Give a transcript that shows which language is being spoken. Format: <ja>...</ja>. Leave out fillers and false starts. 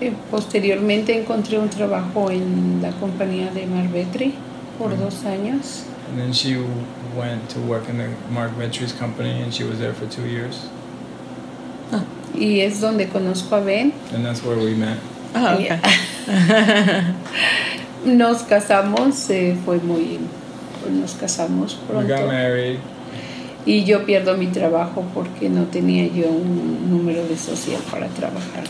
<es>Posteriormente encontré un trabajo en la compañía de Mark Vetri por 2 años.</es> <en>And then she went to work in the Mark Vetri's company, and she was there for 2 years.</en> <es>Ah, y es donde conozco a Ben.</es> <en>And that's where we met. Oh, okay.</en> <es>Nos casamos, fue muy, nos casamos pronto.</es> <en>We got married.</en> <es>Y yo pierdo mi trabajo porque no tenía yo un número de social para trabajar.</es>